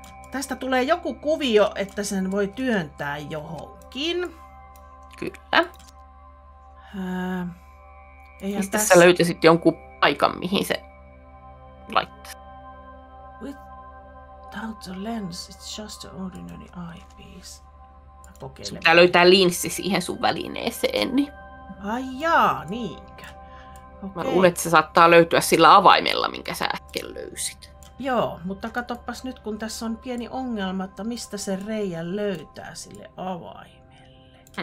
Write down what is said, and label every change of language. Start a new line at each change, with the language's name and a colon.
Finnish: Tästä tulee joku kuvio, että sen voi työntää johonkin. Kyllä. Mistä sä löytäisit jonkun paikan, mihin se laittaa?
English: Without the lens, it's just an ordinary eyepiece.
Finnish: Kokeilen. Sun pitää löytää linssi siihen sun välineeseen, niin. Ai jaa, niinkä. Okay. Mä luulen, että se saattaa löytyä sillä avaimella, minkä sä äsken löysit. Joo, mutta katoppas nyt, kun tässä on pieni ongelma, että mistä se reijän löytää sille avaimelle.